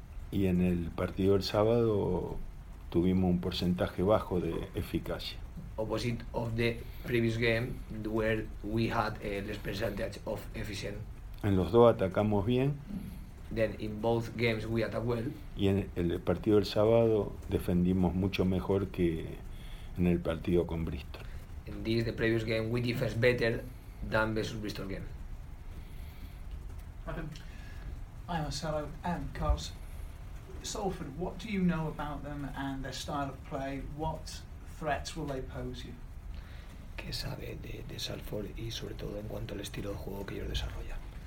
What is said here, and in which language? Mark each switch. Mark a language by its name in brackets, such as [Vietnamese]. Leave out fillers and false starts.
[Spanish] Y en el partido del sábado tuvimos un porcentaje bajo de eficacia. [English] Opposite of the previous game, where we had less percentage of efficient. [Spanish] En los dos atacamos bien. [English] Then in both games we attack well. [Spanish] Y en el partido del sábado defendimos mucho mejor que en el partido con Bristol. [English] In this the previous game we defense better than versus Bristol game. Adam, I'm Marcelo and Carlos. Salford, what do you know about them and their style of play? What threats will they pose you? [Spanish] ¿Qué sabe de Salford y sobre todo en cuanto al estilo de juego que ellos desarrollan?